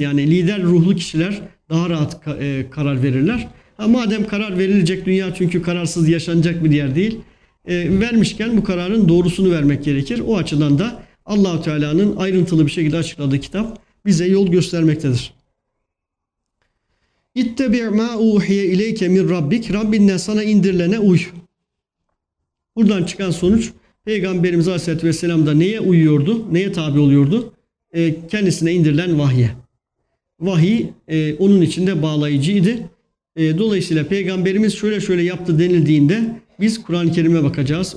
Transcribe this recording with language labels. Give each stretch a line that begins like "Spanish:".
Turkish: Yani lider ruhlu kişiler daha rahat karar verirler. Ha, madem karar verilecek dünya, çünkü kararsız yaşanacak bir yer değil. Vermişken bu kararın doğrusunu vermek gerekir. O açıdan da Allah-u Teala'nın ayrıntılı bir şekilde açıkladığı kitap bize yol göstermektedir.
Arabic: اِتَّبِعْ مَا اُوْحِيَ اِلَيْكَ مِنْ رَبِّكَ
Turkish: Rabbinden sana indirilene uy. Buradan çıkan sonuç, Peygamberimiz Aleyhisselatü Vesselam da neye uyuyordu, neye tabi oluyordu? Kendisine indirilen vahye. Vahiy onun için de bağlayıcıydı. Dolayısıyla Peygamberimiz şöyle şöyle yaptı denildiğinde biz Kur'an-ı Kerim'e bakacağız.